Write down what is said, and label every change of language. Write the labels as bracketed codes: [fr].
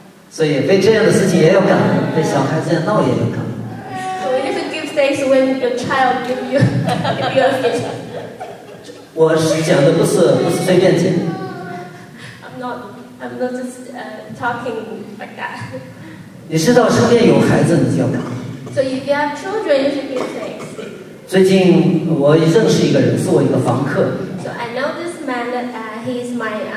[zh] 所以，被这样的事情也要感恩，被小孩子闹也要感恩。 [en] So you should give thanks when your child give you a gift. [zh] 我是讲的不是随便剪。 [en] I'm not just talking like that. You know, if you have children, you should give thanks. [zh] 最近我认识一个人，是我一个房客。 [en] So I know this man that he's my